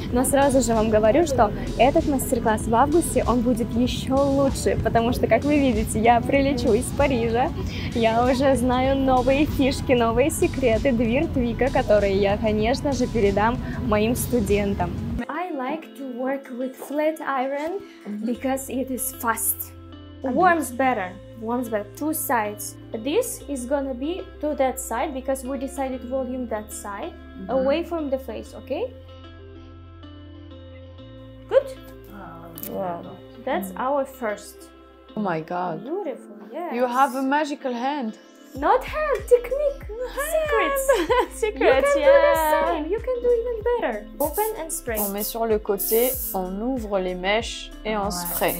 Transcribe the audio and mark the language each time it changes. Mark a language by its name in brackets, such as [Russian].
[Russian] Но сразу же вам говорю, что этот мастер-класс в августе, он будет еще лучше, потому что, как вы видите, я прилечу из Парижа, я уже знаю новые фишки, новые секреты Дверь Твика, которые я, конечно же, передам моим студентам. [English] I like to work with flat iron because it is fast. Warms better. Warms better. Two sides. This is gonna be to that side because we decided volume that side away from the face, okay? Good? Wow. That's our first. Oh my god. Beautiful, yeah. You have a magical hand. Not hand, technique, hand. Secrets. Secrets, you can do the same, you can do even better. Open and spray. [French] On met sur le côté, on ouvre les mèches et on spray.